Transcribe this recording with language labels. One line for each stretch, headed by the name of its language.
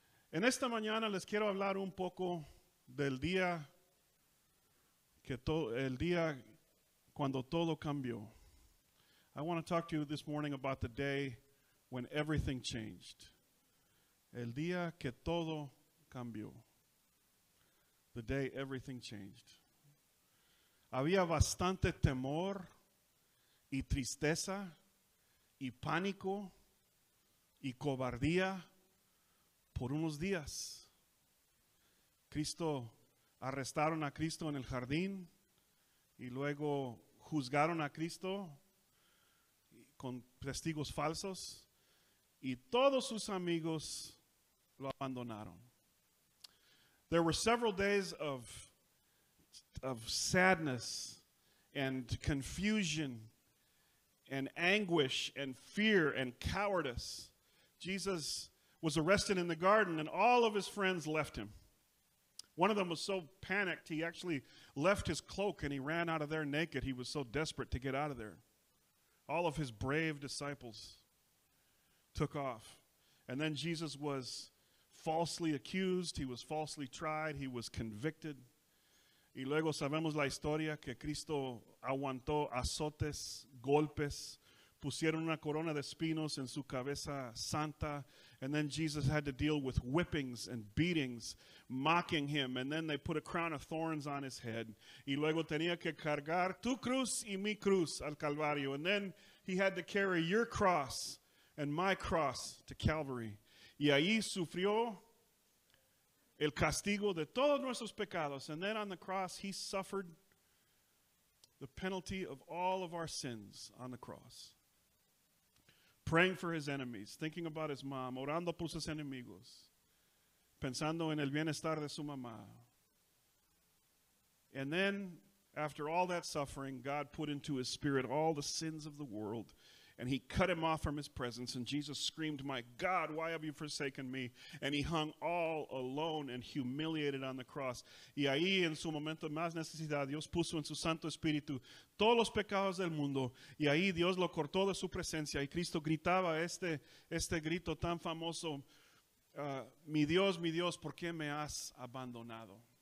Spanish: En esta mañana les quiero hablar un poco del día que el día cuando todo cambió.
English: I want to talk to you this morning about the day when everything changed.
Spanish: El día que todo cambió.
English: The day everything changed.
Spanish: Había bastante temor y tristeza y pánico y cobardía por unos días. Cristo, arrestaron a Cristo en el jardín y luego juzgaron a Cristo con testigos falsos y todos sus amigos lo abandonaron.
English: There were several days of sadness and confusion and anguish and fear and cowardice. Jesus was arrested in the garden and all of his friends left him. One of them was so panicked, he actually left his cloak and he ran out of there naked. He was so desperate to get out of there. All of his brave disciples took off. And then Jesus was falsely accused. He was falsely tried. He was convicted.
Spanish: Y luego sabemos la historia que Cristo aguantó azotes, golpes. Pusieron una corona de espinos en su cabeza santa.
English: And then Jesus had to deal with whippings and beatings, mocking him. And then they put a crown of thorns on his head.
Spanish: Y luego tenía que cargar tu cruz y mi cruz al Calvario.
English: And then he had to carry your cross and my cross to Calvary.
Spanish: Y ahí sufrió el castigo de todos nuestros pecados.
English: And then on the cross, he suffered the penalty of all of our sins on the cross. Praying for his enemies, thinking about his mom,
Spanish: orando por sus enemigos, pensando en el bienestar de su mamá.
English: And then, after all that suffering, God put into his spirit all the sins of the world, and he cut him off from his presence, and Jesus screamed, "My God, why have you forsaken me?" And he hung all alone and humiliated on the cross.
Spanish: Y ahí, en su momento más necesidad, Dios puso en su Santo Espíritu todos los pecados del mundo. Y ahí Dios lo cortó de su presencia. Y Cristo gritaba este grito tan famoso, mi Dios, ¿por qué me has abandonado?"